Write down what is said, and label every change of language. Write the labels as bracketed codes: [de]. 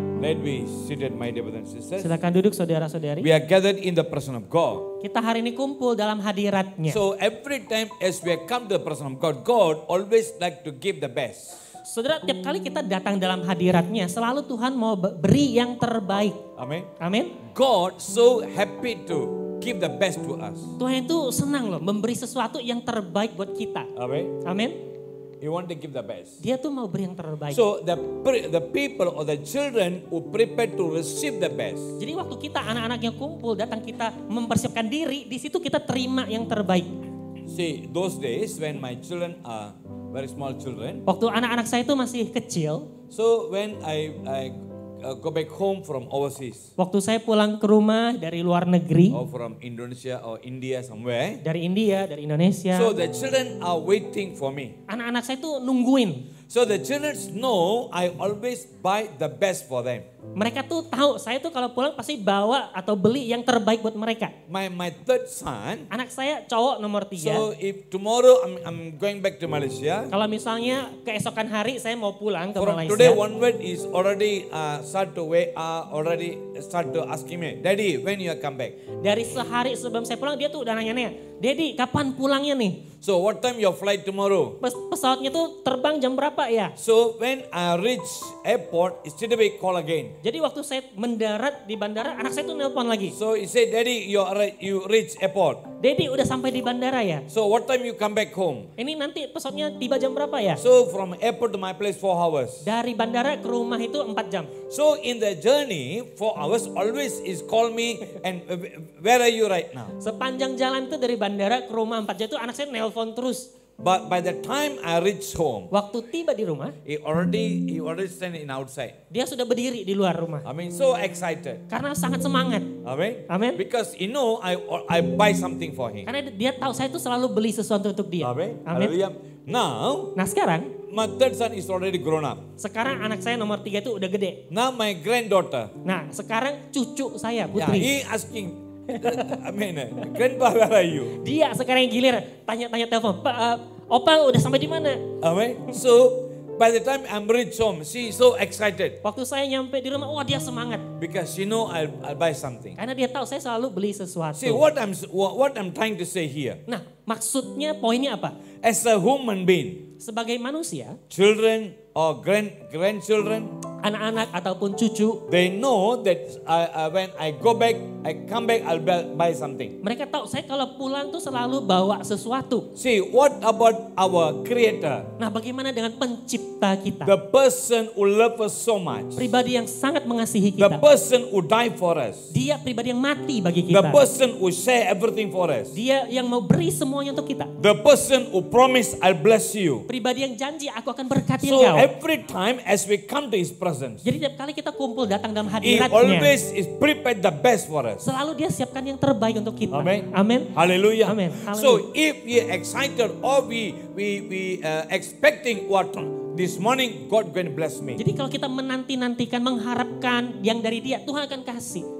[en] Let me sit at my dear brothers and sisters. [id] Silakan duduk saudara-saudari. [en] We are gathered in the presence of God. [id] Kita hari ini kumpul dalam hadirat-Nya. [en] So every time as we come to the presence of God, God always like to give the best. [id] Saudara, setiap kali kita datang dalam hadirat-Nya, selalu Tuhan mau beri yang terbaik. Amen. Amen. [en] God so happy to give the best to us. [id] Tuhan itu senang loh memberi sesuatu yang terbaik buat kita. Amen. Amen. [en] He want to give the best. [id] Dia tuh mau beri yang terbaik. [en] So the people or the children who prepare to receive the best. [id] Jadi waktu kita anak-anak yang kumpul datang kita mempersiapkan diri, di situ kita terima yang terbaik. [en] See, those days when my children are very small children. [id] Waktu anak-anak saya itu masih kecil. [en] So when I go back home from overseas. [id] Waktu saya pulang ke rumah dari luar negeri. [en] Or from Indonesia or India somewhere. [id] Dari India, dari Indonesia. [en] So the children are waiting for me. [id] Anak-anak saya itu nungguin. [en] So the children know I always buy the best for them. [id] Mereka tuh tahu saya tuh kalau pulang pasti bawa atau beli yang terbaik buat mereka. [en] My third son. [id] Anak saya cowok nomor 3. [en] So if tomorrow I'm going back to Malaysia. [id] Kalau misalnya keesokan hari saya mau pulang ke [en] from Malaysia. Today onward is already start to WA already start to asking me, Daddy, when you come back? [id] Dari sehari sebelum saya pulang dia tuh udah nanya-nanya, Daddy, kapan pulangnya nih? [en] So what time your flight tomorrow? [id] Pesawatnya tuh terbang jam berapa ya? [en] So when I reach airport, instead of call again. [id] Jadi waktu saya mendarat di bandara, anak saya tuh nelpon lagi. [en] So he said, Daddy, you reach airport. [id] Daddy udah sampai di bandara ya? [en] So what time you come back home? [id] Ini nanti pesawatnya tiba jam berapa ya? [en] So from airport to my place 4 hours. [id] Dari bandara ke rumah itu 4 jam. [en] So in the journey 4 hours always is call me and where are you right now? [id] Sepanjang jalan tuh dari bandara ke rumah 4 jam itu anak saya nelpon terus. [en] But by the time I reach home, [id] waktu tiba di rumah, [en] he already standing outside. [id] Dia sudah berdiri di luar rumah. [en] I mean, so excited. [id] Karena sangat semangat. Amen. Amen. [en] Because he know I buy something for him. [id] Karena dia tahu saya itu selalu beli sesuatu untuk dia. Amen. Amen. [en] Now [id] sekarang, [en] my third son is already grown up. [id] Sekarang anak saya nomor 3 itu udah gede. [en] Now my granddaughter. [id] Nah sekarang cucu saya putri. [en] Yeah, he asking. Amin. Grandpa, where are you? [id] Dia sekarang yang gilir tanya-tanya telepon. Opa udah sampai di mana? Amin. [en] So by the time I'm reach home, she so excited. [id] Waktu saya nyampe di rumah, dia semangat. [en] Because she know I'll buy something. [id] Karena dia tahu saya selalu beli sesuatu. [en] See what I'm trying to say here. [id] Nah maksudnya poinnya apa? [en] As a human being. [id] Sebagai manusia. [en] Children or grandchildren. [id] Anak-anak ataupun cucu. [en] They know that when I go back, I come back, I'll buy something. [id] Mereka tahu saya kalau pulang tuh selalu bawa sesuatu. [en] See, what about our creator? [id] Nah, bagaimana dengan pencipta kita? [en] The person who loves us so much. [id] Pribadi yang sangat mengasihi kita. [en] The person who died for us. [id] Dia pribadi yang mati bagi kita. [en] The person who share everything for us. [id] Dia yang mau beri semuanya untuk kita. [en] The person who promise I'll bless you. [id] Pribadi yang janji aku akan berkati [en] so [id] engkau. [en] So every time as we come to his presence. [id] Jadi setiap kali kita kumpul datang dalam hadirat-Nya. [en] He always is prepared the best for us. [id] Selalu dia siapkan yang terbaik untuk kita. Amen. Amen. Hallelujah. Amen. [en] So if we excited or we expecting what this morning God going to bless me. [id] Jadi kalau kita menanti-nantikan mengharapkan yang dari dia, Tuhan akan kasih.